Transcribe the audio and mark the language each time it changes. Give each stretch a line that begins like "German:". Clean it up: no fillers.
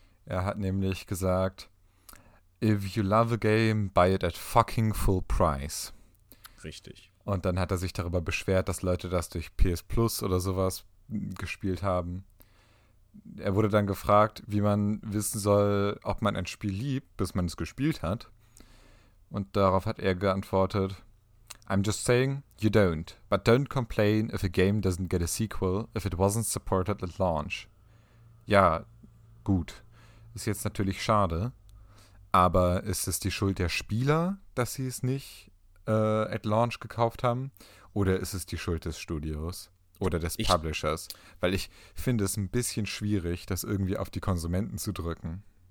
German: Er hat nämlich gesagt,
English: if you love a game, buy it at fucking full price.
German: Richtig. Und dann hat er sich darüber beschwert, dass Leute das durch PS Plus oder sowas gespielt haben. Er wurde dann gefragt, wie man wissen soll, ob man ein Spiel liebt, bis man es gespielt hat. Und darauf hat er geantwortet,
English: I'm just saying, you don't. But don't complain if a game doesn't get a sequel, if it wasn't supported at launch.
German: Ja, gut. Ist jetzt natürlich schade. Aber ist es die Schuld der Spieler, dass sie es nicht
English: at launch
German: gekauft haben? Oder ist es die Schuld des Studios oder des Publishers? Weil ich finde es ein bisschen schwierig, das irgendwie auf die Konsumenten zu drücken.